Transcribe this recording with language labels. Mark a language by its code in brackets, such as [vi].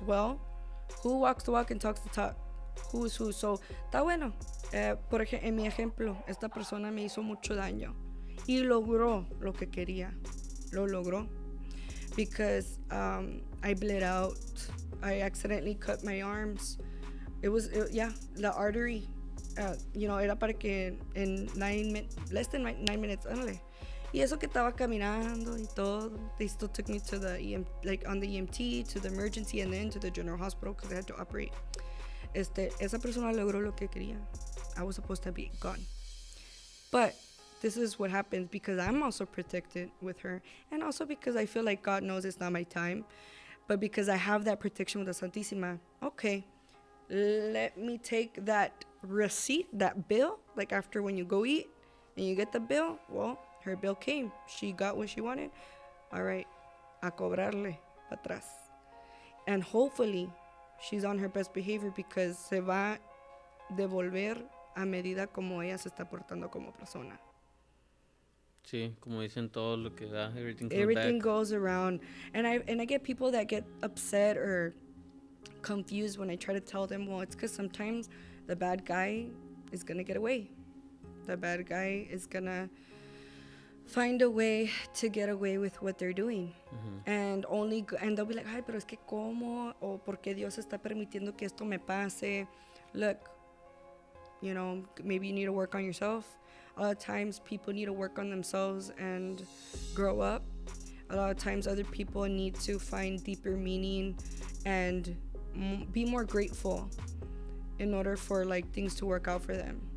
[en] Well, who walks the walk and talks the talk? Who is who? So, [es] está bueno. Por ejemplo, en mi ejemplo, esta persona me hizo mucho daño y logró lo que quería. Lo logró. [en] Because I bled out. I accidentally cut my arms. The artery. You know, [es] era para que en [en] less than nine minutes, ándale. [es] Y eso que estaba caminando y todo, [en] they still took me to the EMT, to the emergency, and then to the general hospital because I had to operate. [es] Esa persona logró lo que quería. [en] I was supposed to be gone. But this is what happens because I'm also protected with her, and also because I feel like God knows it's not my time, but because I have that protection with the Santisima, okay, let me take that receipt, that bill, like after when you go eat and you get the bill, well, her bill came. She got what she wanted. All right. [es] A cobrarle. Atrás. [en] And hopefully, she's on her best behavior because [es] se va devolver a medida como ella se está portando como persona. Sí. Como dicen todo lo que da. [en] Everything goes Everything back. Goes around. And I get people that get upset or confused when I try to tell them, well, it's because sometimes the bad guy is going to get away. The bad guy is going to find a way to get away with what they're doing. Mm-hmm. And they'll be like, [es] ay, pero es que cómo, o porque Dios está permitiendo que esto me pase. [en] Look, you know, maybe you need to work on yourself. A lot of times people need to work on themselves and grow up. A lot of times other people need to find deeper meaning and be more grateful in order for like things to work out for them.